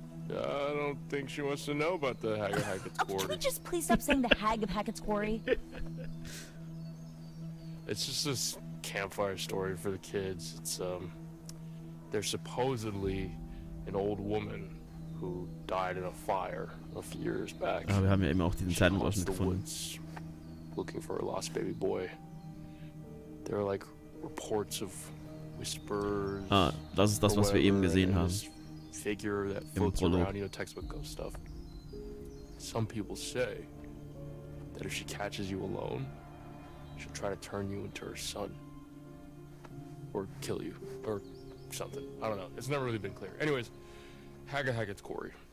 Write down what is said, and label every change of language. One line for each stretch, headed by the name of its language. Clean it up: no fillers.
English: I don't think she wants to know about the Hag of Hackett's Quarry. Can we just please stop saying the Hag of Hackett's Quarry? It's just this campfire story for the kids. It's, there's supposedly an old woman who died in a fire a few years back.
German: Ah, wir haben ja eben auch diesen Zeitenwaschen gefunden.
English: She's looking for her lost baby boy. There are, like, reports of whispers.
German: Ah, das ist das, was wir eben gesehen haben.
English: Figure that floats around, you know, textbook ghost stuff. Some people say that if she catches you alone, she'll try to turn you into her son. Or kill you. Or something. I don't know. It's never really been clear. Anyways, Hag of Hackett's Quarry.